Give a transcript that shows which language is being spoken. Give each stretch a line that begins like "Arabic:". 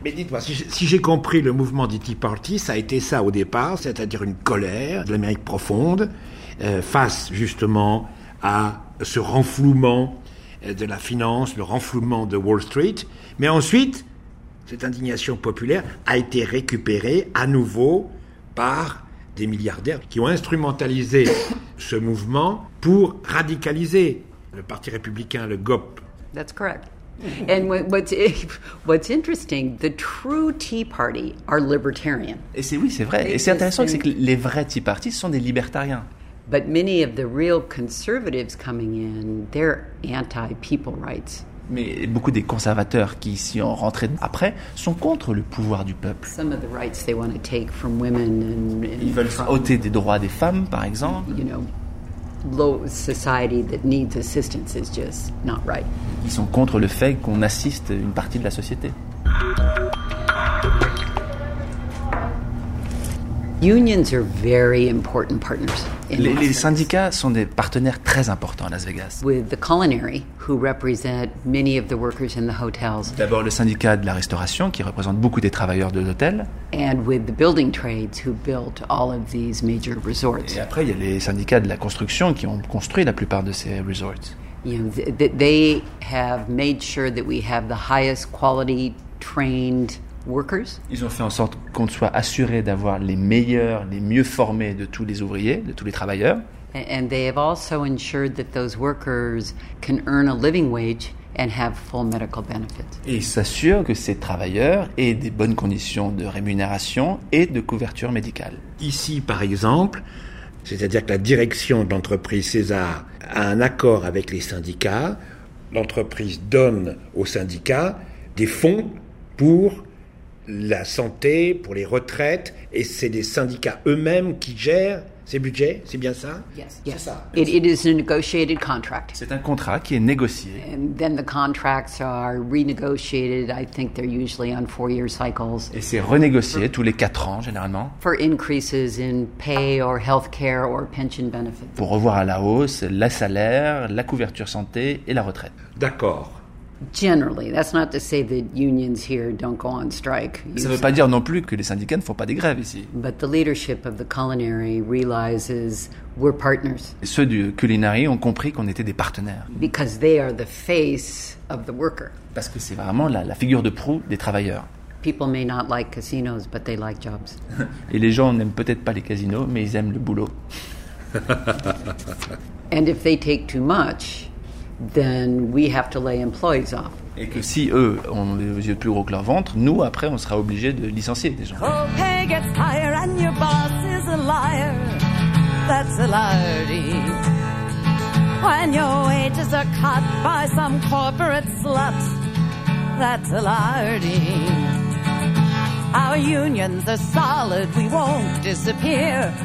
French: Mais dites-moi, si j'ai compris le mouvement du Tea Party, ça a été ça au départ, c'est-à-dire une colère de l'Amérique profonde face justement à ce renflouement de la finance, le renflouement de Wall Street. Mais ensuite, cette indignation populaire a été récupérée à nouveau par des milliardaires qui ont instrumentalisé ce mouvement pour radicaliser le Parti républicain, le GOP.
English: That's correct. And what's interesting, the true Tea Party are libertarian.
French: Et c'est, oui, c'est vrai. Et c'est intéressant, c'est que les vrais Tea Party sont des libertariens.
English: But many of the real conservatives coming in, they're anti-people rights.
French: Mais beaucoup des conservateurs qui s'y sont rentrés après sont contre le pouvoir du peuple.
English: Some of the rights they want to take from women and
French: ils veulent ôter des droits des femmes, par exemple.
English: You know, low society that needs assistance is just not right.
French: Ils sont contre le fait qu'on assiste une partie de la société.
English: Unions are very important partners.
French: Les syndicats sont des partenaires très importants à Las Vegas.
English: With the culinary, who represent many of the workers in the hotels.
French: D'abord le syndicat de la restauration qui représente beaucoup des travailleurs de l'hôtel.
English: And with the building trades who built all of these major resorts.
French: Et après il y a les syndicats de la construction qui ont construit la plupart de ces resorts.
English: You know, they have made sure that we have the highest quality trained workers.
French: Ils ont fait en sorte qu'on soit assuré d'avoir les meilleurs, les mieux formés de tous les ouvriers, de tous les travailleurs.
English: And they have also ensured that those workers can earn a living wage and have full medical benefits.
French: Et ils s'assurent que ces travailleurs aient des bonnes conditions de rémunération et de couverture médicale. Ici, par exemple, c'est-à-dire que la direction de l'entreprise César a un accord avec les syndicats. L'entreprise donne aux syndicats des fonds pour la santé, pour les retraites, et c'est des syndicats eux-mêmes qui gèrent ces budgets, c'est bien ça?
English: Yes.
French: C'est ça.
English: It is a negotiated contract.
French: C'est un contrat qui est négocié.
English: And then the contracts are renegotiated. I think they're usually on 4-year cycles.
French: Et c'est renégocié tous les 4 ans généralement.
English: For increases in pay or healthcare or pension benefits.
French: Pour revoir à la hausse le salaire, la couverture santé et la retraite. D'accord.
English: Generally, that's not to say that unions here don't go on strike.
French: Ça veut pas dire non plus que les syndicats ne font pas des grèves ici.
English: But the leadership of the culinary realizes we're partners.
French: Et ceux du culinary ont compris qu'on était des partenaires.
English: Because they are the face of the worker.
French: Parce que c'est vraiment la figure de proue des travailleurs.
English: People may not like casinos, but they like jobs.
French: Et les gens n'aiment peut-être pas les casinos, mais ils aiment le boulot.
English: And if they take too much, then we have to lay employees off.
French: Et que si eux ont les yeux plus gros que leur ventre, nous après on sera obligé de licencier des gens.
English: Your pay gets higher and your boss is a liar. That's a liarty. When your wages are cut by some corporate slut, that's a liarty. Our unions are solid, we won't disappear.